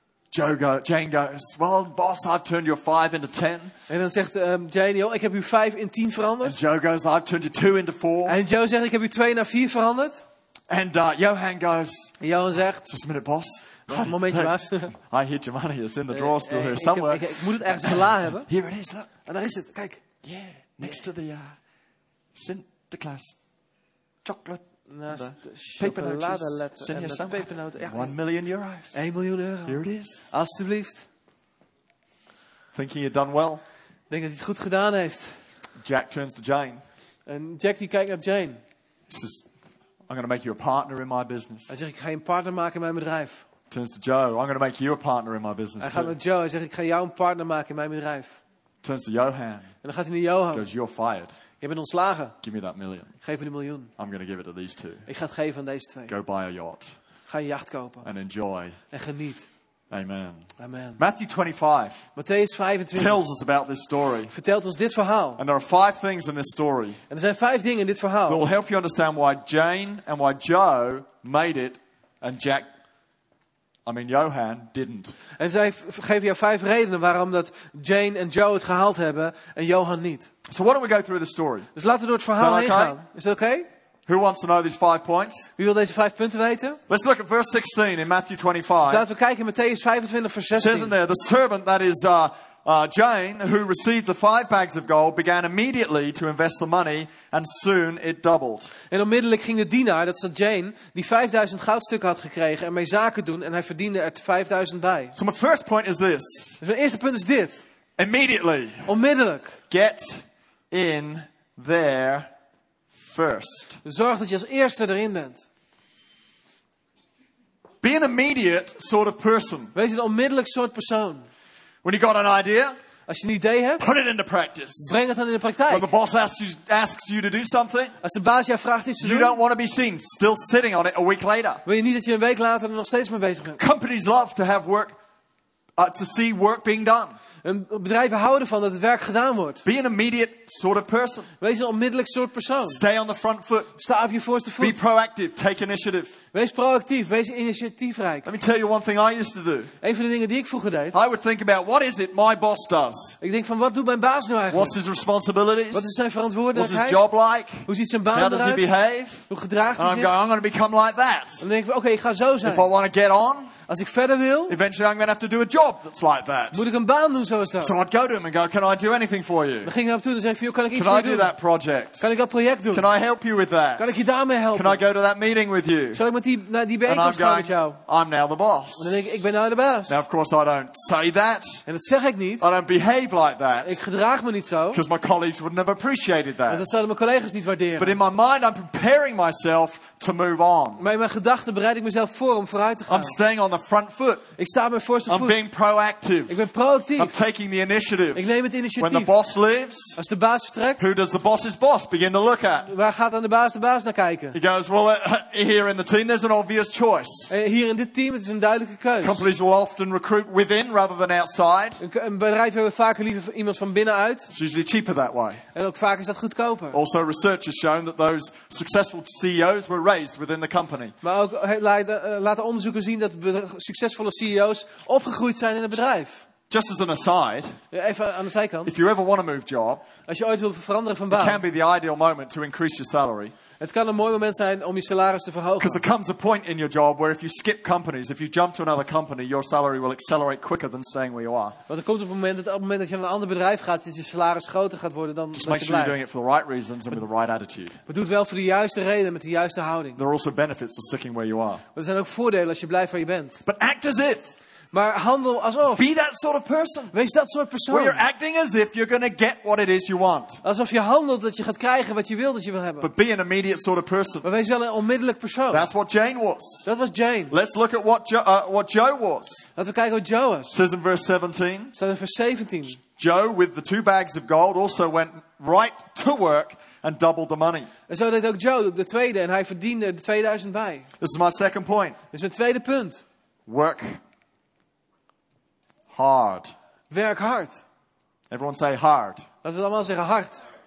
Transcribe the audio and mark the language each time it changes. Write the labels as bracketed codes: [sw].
[en] Jane goes, "Well, boss, I've turned your 5 into 10." [nl] En dan zegt Jane, "Ik heb uw 5 in 10 veranderd." [en] And Joe goes, "I've turned your 2 into 4." [nl] En Joe zegt, "Ik heb uw 2 naar 4 veranderd." [en] And Johan goes. [nl] En Johan zegt, [en] "Just a minute, boss." [nl] Een momentje, baas. [en] I hid your money. It's in the drawer still here somewhere. [nl] Ik moet het ergens in de la hebben. [en] Here it is, look. [nl] En daar is het, kijk. [en] Yeah, next to the Sinterklaas chocolate. [nl] Naast de chocoladeletter en de pepernoten. [en] Ja, 1 million euros. [nl] 1 miljoen euro. [en] Here it is. [nl] Alsjeblieft. [en] Thinking you've done well. [nl] Denk dat hij het goed gedaan heeft. [en] Jack turns to Jane. [nl] En Jack die kijkt naar Jane. [en] He says, "I'm going to make you a partner in my business." [nl] Hij zegt, ik ga je een partner maken in mijn bedrijf. [en] Turns to Joe, "I'm going to make you a partner in my business." [nl] Hij gaat naar Joe en zegt, ik ga jou een partner maken in mijn bedrijf. [en] Turns to Johan. [nl] En dan gaat hij naar Johan. [en] Goes, "You're fired." [nl] Je bent ontslagen. [en] Give me that million. [nl] Geef me die miljoen. [en] I'm going to give it to these two. [nl] Ik ga het geven aan deze twee. [en] Go buy a yacht. [nl] Ga een jacht kopen. [en] And enjoy. [nl] En geniet. [en] Amen. [nl] Amen. [en] Matthew 25. [nl] Matteüs 25. [en] Tells us about this story. [nl] Vertelt ons dit verhaal. [en] And there are 5 things in this story. [nl] En er zijn 5 dingen in dit verhaal. [en] That will help you understand why Jane and why Joe made it and Jack. I mean, Johan didn't. [nl] En zij geven jou 5 redenen waarom dat Jane en Joe het gehaald hebben en Johan niet. [en] So why don't we go through the story? [nl] Dus laten we door het verhaal heen gaan. Is dat oké? [en] Who wants to know these 5 points? [nl] Wie wil deze 5 punten weten? [en] Let's look at verse 16 in Matthew 25. [nl] Dus laten we kijken in Matteüs 25 vers 16. [en] It says in there, the servant that is Jane, who received the 5 bags of gold, began immediately to invest the money, and soon it doubled. [nl] En onmiddellijk ging de dienaar, dat is Jane, die 5000 goudstukken had gekregen, ermee zaken doen, en hij verdiende er 5000 bij. [en] So my first point is this. [nl] Dus mijn eerste punt is dit. [en] Immediately. [nl] Onmiddellijk. [en] Get in there first. [nl] Zorg dat je als eerste erin bent. [en] Be an immediate sort of person. [nl] Wees een onmiddellijk soort persoon. [en] When you got an idea, [nl] als je een idee hebt, [en] put it into practice. [nl] Breng het dan in de praktijk. [en] When the boss asks you to do something, [nl] als de baas jou vraagt iets te doen, [en] you don't want to be seen still sitting on it a week later. [nl] Wil je niet dat je een week later er nog steeds mee bezig bent? [en] Companies love to have work, to see work being done. [nl] En bedrijven houden van dat het werk gedaan wordt. [en] Be an immediate sort of person. [nl] Wees een onmiddellijk soort persoon. [en] Stay on the front foot. [nl] Sta op je voorste voet. [en] Be proactive. Take initiative. [nl] Wees proactief. Wees initiatiefrijk. [en] Let me tell you one thing I used to do. [nl] Een van de dingen die ik vroeger deed. [en] I would think about what is it my boss does. [nl] Ik denk van wat doet mijn baas nou eigenlijk? [en] What's his responsibilities? [nl] Wat is zijn verantwoordelijkheid? [en] What's his job like? [nl] Hoe ziet zijn baan eruit? [en] How does he behave? [nl] Hoe gedraagt hij zich? [en] And I'm going to become like that. [nl] En dan denk ik van oké, ik ga zo zijn. [en] If I want to get on. [nl] Als ik verder wil, [en] eventually I'm going to have to do a job that's like that. [nl] Moet ik een baan doen zoals dat? [en] So I'd go to him and go, "Can I do anything for you?" [nl] Dan ging ik naar toe en zei: "Kan ik iets voor je doen? [en] Can I do that project? [nl] Kan ik dat project doen? [en] Can I help you with that? [nl] Kan ik je daarmee helpen? [en] Can I go to that meeting with you?" [nl] Zal ik met die bijeenkomst gaan met jou? [en] I'm now the boss. [nl] En dan denk ik ben nou de baas. [en] Now of course I don't say that. [nl] En dat zeg ik niet. [en] I don't behave like that. [nl] Ik gedraag me niet zo. [en] Because my colleagues would never appreciate that. [nl] En dat zouden mijn collega's niet waarderen. [en] But in my mind I'm preparing myself to move on. [nl] Maar in mijn gedachten bereid ik mezelf voor om vooruit te gaan. [en] I'm staying on the front foot. [nl] Ik sta op mijn voorste voet. [en] I'm being proactive. [nl] Ik ben proactief. [en] I'm taking the initiative. [nl] Ik neem het initiatief. [en] When the boss leaves, [nl] als de baas vertrekt, [en] who does the boss's boss begin to look at? [nl] Waar gaat dan de baas naar kijken? [en] He goes, well, here in the team, there's an obvious choice. [nl] Hier in dit team, het is een duidelijke keuze. [en] Companies will often recruit within rather than outside. [nl] Een bedrijf hebben vaker liever iemand van binnenuit. [en] It's usually cheaper that way. [nl] En ook vaak is dat goedkoper. [en] Also, research has shown that those successful CEOs were raised within the company. [nl] Maar ook laten onderzoeken zien dat succesvolle CEO's opgegroeid zijn in het bedrijf. [en] Just as an aside, [nl] even aan de zijkant. [en] If you ever want to move job, [nl] als je ooit wilt veranderen van baan, [en] it can be the ideal moment to increase your salary. [nl] Het kan een mooi moment zijn om je salaris te verhogen. [en] Because there comes a point in your job where if you skip companies, if you jump to another company, your salary will accelerate quicker than staying where you are. [nl] Want er komt op het moment dat je naar een ander bedrijf gaat, is je salaris groter gaat worden dan. [en] Just make sure you're doing it for the right reasons and with the right attitude. [nl] Maar doe het wel voor de juiste reden met de juiste houding. [en] There are also benefits to sticking where you are. [nl] Maar er zijn ook voordelen als je blijft waar je bent. [en] But act as if. [nl] Maar handel alsof. [en] Be that sort of person. [nl] Wees dat soort persoon. [en] Where you're acting as if you're going to get what it is you want. [nl] Alsof je handelt dat je gaat krijgen wat je wilt dat je wil hebben. [en] But be an immediate sort of person. [nl] Maar wees wel een onmiddellijk persoon. [en] That's what Jane was. [nl] Dat was Jane. [en] Let's look at what Joe was. [nl] Laten we kijken wat Joe was. [en] It says in verse 17. [nl] Staat in vers 17. [en] Joe with the two bags of gold also went right to work and doubled the money. [nl] En zo deed ook Joe de tweede en hij verdiende de 2000 bij. [en] This is my second point. [nl] Dit is mijn tweede punt. [en] Work hard. [nl] Werk hard. [en] Everyone say hard. [nl] Laten we allemaal zeggen hard.